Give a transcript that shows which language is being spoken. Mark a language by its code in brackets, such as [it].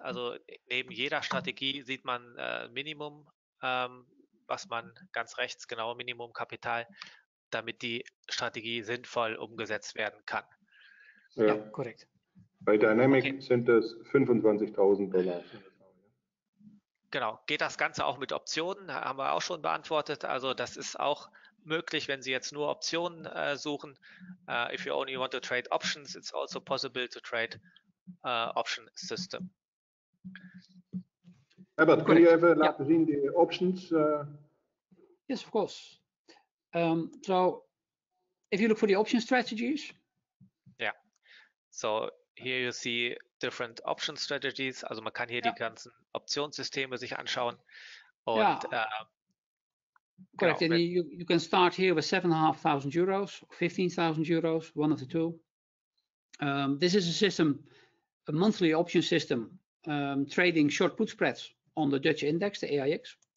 [de] Also neben jeder Strategie sieht man Minimum, was man ganz rechts, genau, Minimum-Kapital, damit die Strategie sinnvoll umgesetzt werden kann. Ja, ja, korrekt. Bei Dynamic sind es 25.000 Dollar. Genau. Geht das Ganze auch mit Optionen? Haben wir auch schon beantwortet. Also das ist auch möglich, wenn Sie jetzt nur Optionen suchen. [en] If you only want to trade options, it's also possible to trade option system. [de] Herbert, können wir einfach sehen, die Options? [en] Yes, of course. So, if you look for the option strategies. Yeah. So here you see different option strategies. [de] Also man kann hier die ganzen Optionssysteme sich anschauen. Und, [en] correct. Genau, and you can start here with 7,500 euros, 15,000 euros, one of the two. This is a system, a monthly option system, trading short put spreads on the Dutch index, the AIX.